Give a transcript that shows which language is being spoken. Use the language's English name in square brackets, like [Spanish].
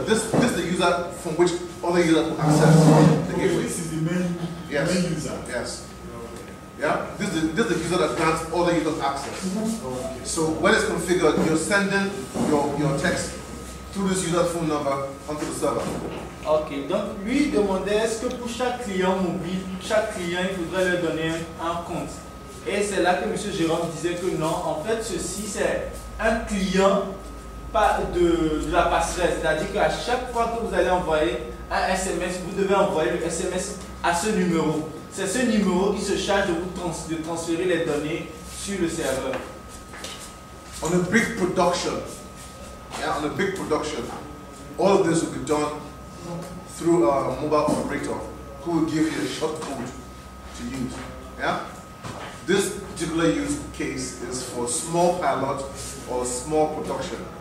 [English] This is the user from which other users will access the gateway. This is the main, yes. Main user. Yes. Yeah, this is the user that grants other users access. Mm-hmm. Okay. So when it's configured, you're sending your text through this user's phone number onto the server. [French] Okay, donc lui demandait est-ce que pour chaque client mobile, chaque client il faudrait lui donner un compte. Et c'est là que M. Jérôme disait que non, en fait ceci c'est un client pas de la passerelle. C'est-à-dire qu'à chaque fois que vous allez envoyer un SMS, vous devez envoyer le SMS à ce numéro. C'est ce numéro qui se charge de transférer les données sur le serveur. [English] On a big production, on a big production, all of this will be done through a mobile operator who will give you a short code to use. Yeah? This particular use case is for small pilot or small production.